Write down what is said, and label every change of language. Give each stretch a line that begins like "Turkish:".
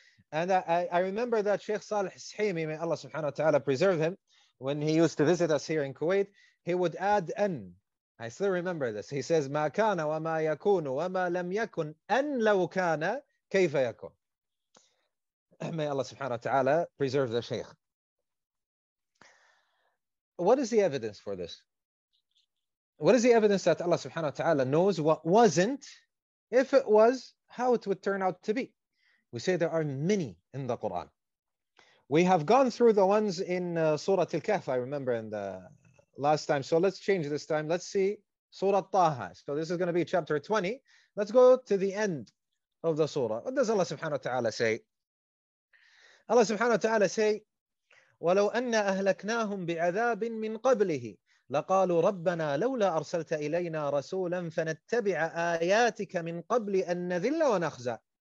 English: And I remember that Sheikh Saleh Sahimi, may Allah subhanahu wa ta'ala preserve him, when he used to visit us here in Kuwait, he would add an. I still remember this. He says,
Arabic: مَا كَانَ وَمَا يَكُونُ وَمَا لَمْ يَكُنْ أَنْ لَوْ كَانَ كَيْفَ يَكُنْ.
English: May Allah subhanahu wa ta'ala preserve the Shaykh. What is the evidence for this? What is the evidence that Allah subhanahu wa ta'ala knows what wasn't, if it was, how it would turn out to be? We say there are many in the Quran. We have gone through the ones in Surah Al-Kahf, I remember, in the last time. So let's change this time. Let's see Surah Taha. So this is going to be chapter 20. Let's go to the end of the surah. What does Allah subhanahu wa ta'ala say? Allah subhanahu wa ta'ala say,
Arabic: وَلَوْ أَنَّ أَهْلَكْنَاهُمْ بِعَذَابٍ مِّنْ قَبْلِهِ لَقَالُوا رَبَّنَا لَوْلَا أَرْسَلْتَ إِلَيْنَا رَسُولًا فَنَتَّبِعَ آيَاتِكَ مِّنْ قَبْلِ أَن نَذِلَّ وَنَخْزَى.